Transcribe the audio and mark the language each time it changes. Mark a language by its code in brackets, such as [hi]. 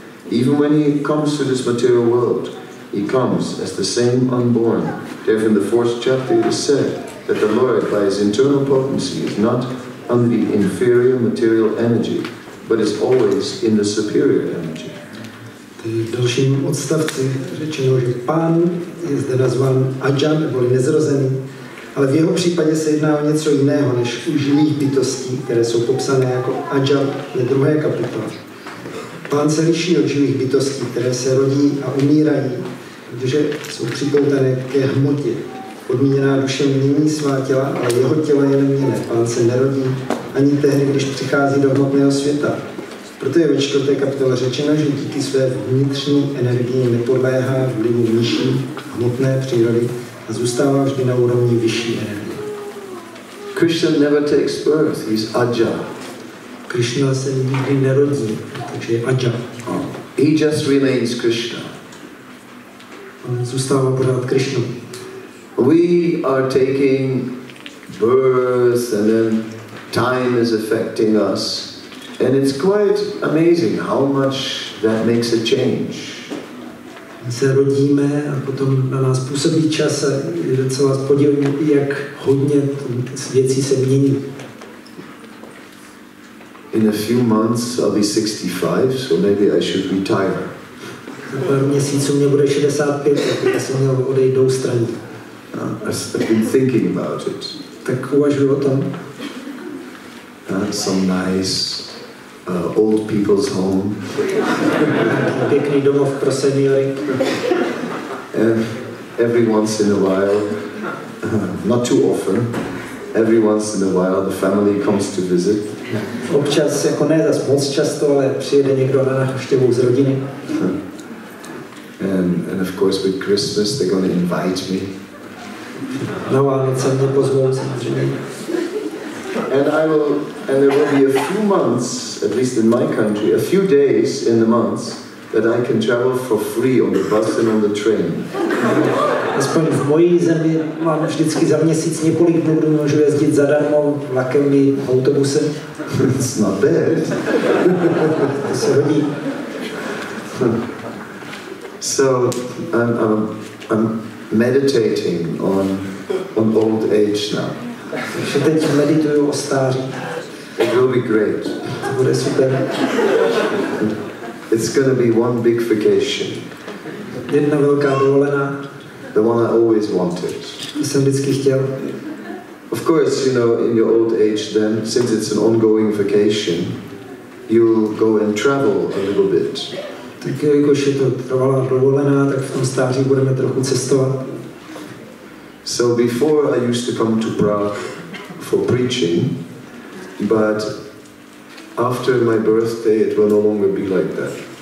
[en] Even when he comes to this material world, he comes as the same unborn. Therefore, in the fourth chapter, it is said that the Lord, by his internal potency, is not under the inferior material energy, but is always in the superior energy. [cs] To je v dalším odstavci řečeno, že pán je zde nazván Ajan, neboli nezrozený, ale v jeho případě se jedná o něco jiného než u živých bytostí, které jsou popsané jako Ajan ve druhé kapitole. Pán se liší od živých bytostí, které se rodí a umírají, protože jsou připoutané ke hmotě. Podmíněná duše mění svá těla, ale jeho tělo je neměné. Pán se nerodí ani tehdy, když přichází do hmotného světa. Proto je ve čtvrté kapitole řečeno, že díky své vnitřní energii nepodléhá vlivu nižší hmotné přírody a zůstává vždy na úrovni vyšší energie. [en] Krishna never takes birth, he's Aja. [cs] Krishna se nikdy nerodí, takže je Aja. [en] He just remains Krishna. [cs] On zůstává pořád Krishna. [en] We are taking birth and then time is affecting us. And it's quite amazing how much that makes a change. [cs] My se rodíme a potom na nás působí čas a je docela podivné, jak hodně věcí se mění. [en] In a few months I'll be 65, so maybe I should retire. [cs] Za pár měsíců mě bude 65, tak já jsem měl odejít do ústraní. [en] I've been thinking about it. [cs] Tak uvažuji o tom. [en] Some nice old people's home. [cs] Pěkný domov pro seniory. [en] And every once in a while, not too often, every once in a while the family comes to visit. [cs] Občas, jako ne zas moc často, ale přijede někdo na návštěvu z rodiny. [en] And of course with Christmas they're going to invite me. [cs] Na Vánoce mě pozvou samozřejmě. [en] And there will be a few months, at least in my country, a few days in the months that I can travel for free on the bus and on the train. [cs] Aspoň v mojí zemi mám vždycky za měsíc několik dnů, kdy můžu jezdit zadarmo vlakem i autobusem. [en] It's not bad. [cs] To se hodí. [en] So I'm meditating on old age now. [cs] Takže teď medituju o stáří. [en] It will be great. [cs] To bude super. [en] It's going to be one big vacation. [cs] Jedna velká dovolená. [en] The one I always wanted. [cs] Jsem vždycky chtěl. [en] Of course, you know, in your old age then, since it's an ongoing vacation, you go and travel a little bit. [cs] Tak jakož je to trvalá dovolená, tak v tom stáří budeme trochu cestovat. [en] So before I used to come to Prague for preaching, but after my birthday it will no longer be like that.